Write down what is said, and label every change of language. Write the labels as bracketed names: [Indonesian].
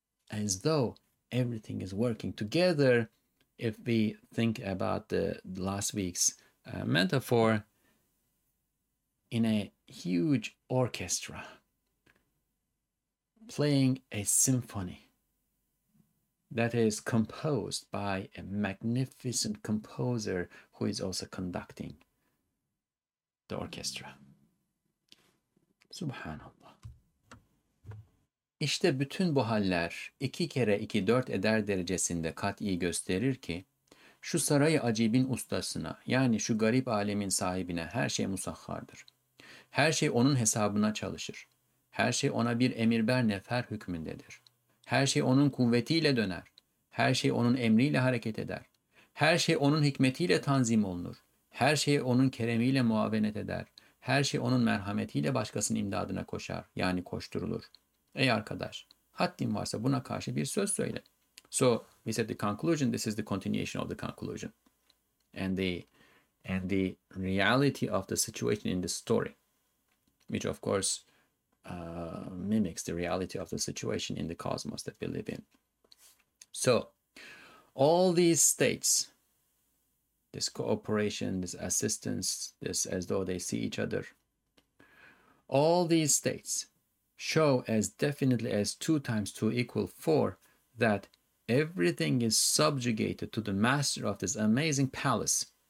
[English] As though everything is working together, if we think about the last week's metaphor, in a huge orchestra playing a symphony that is composed by a magnificent composer who is also conducting the orchestra. [Arabic] Subhanallah. [Turkish] İşte bütün bu haller 2 kere 2 4 eder derecesinde kat'i gösterir ki şu saray-ı acibin ustasına, yani şu garip alemin sahibine her şey musahhardır. Her şey onun hesabına çalışır. Her şey ona bir emirber nefer hükmündedir. Her şey onun kuvvetiyle döner. Her şey onun emriyle hareket eder. Her şey onun hikmetiyle tanzim olunur. Her şey onun keremiyle muavenet eder. Her şey onun merhametiyle başkasının imdadına koşar, yani koşturulur. Ey arkadaş, haddin varsa buna karşı bir söz söyle. [English] So, we said the conclusion, this is the continuation of the conclusion. And the reality of the situation in the story, which of course mimics the reality of the situation in the cosmos that we live in. So, all these states, this cooperation, this assistance, this as though they see each other, all these states show as definitely as 2 times 2 equal 4 that everything is subjugated to the master of this amazing palace.